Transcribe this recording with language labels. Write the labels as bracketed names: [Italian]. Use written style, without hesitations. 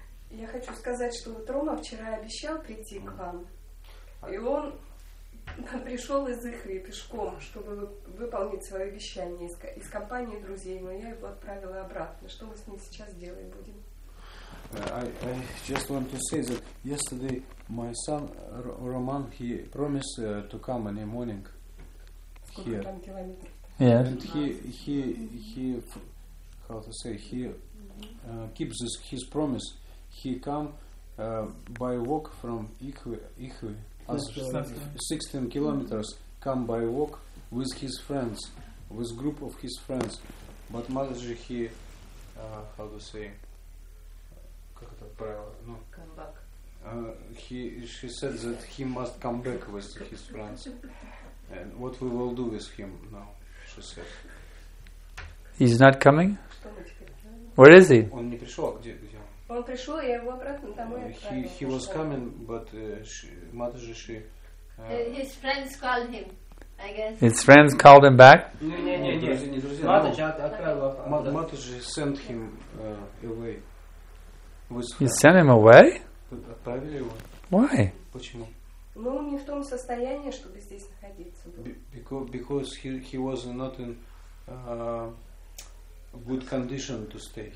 [Russian] Я хочу сказать, что вот Рома вчера обещал прийти к вам. И он пришел из Ихри пешком, чтобы выполнить свое обещание из компании друзей, но я его отправила обратно. Что мы с ним сейчас делаем будем? [English] I just want to say that yesterday my son Roman, he promised to come in the morning here. Yes. And keeps his promise. He come by walk from Ихви. 16 kilometers come by walk with his friends, with group of his friends. But Mataji, he, how to say, [Russian] как это правило? [English] No. Come back. She said that he must come back with his friends. And what we will do with him now, she said. He's not coming? Where is he? [Russian] Он не пришел, где? Он пришел, я его обратно домой отправила. [English] He was coming, but Mataji, she... His friends called him, I guess. His friends called him back? No. Mataji sent him away. You sent him away? [Russian] Отправили его. [English] Why? [Russian] Почему? Ну, он не в том состоянии, чтобы здесь находиться. [English] Because he was not in good condition to stay.